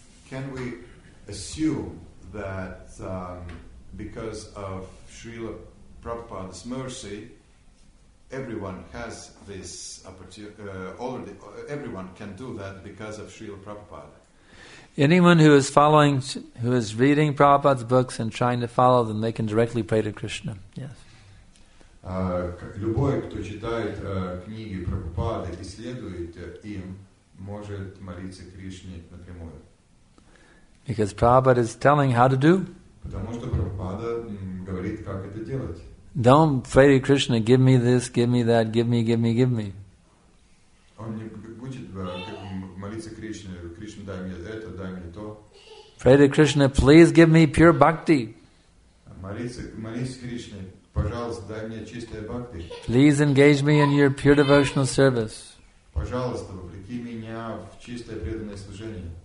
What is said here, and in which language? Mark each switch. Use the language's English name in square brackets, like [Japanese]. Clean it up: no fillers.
[English] Can we assume that because of Srila Prabhupada's mercy, everyone has this opportunity, already, everyone can do that because of Srila Prabhupada? Anyone who is following, who is reading Prabhupada's books and trying to follow them, they can directly pray to Krishna. Yes. [Russian] Любой, кто читает книги Прабхупады и следует им, может молиться Кришне напрямую. [English] Because Prabhupada is telling how to do. [Russian] Потому что Прабхупада говорит, как это делать. [English] Don't pray to Krishna, give me this, give me that, give me, give me, give me. [Russian] Он не будет молиться Кришне, Кришна, дай мне это, дай мне то. [English] Pray to Krishna, please give me pure bhakti. [Russian] Молись Кришне, пожалуйста, дай мне чистое бхакти. [English] Please engage me in your pure devotional service. [Russian] Пожалуйста, вовлеки меня в чистое преданное служение.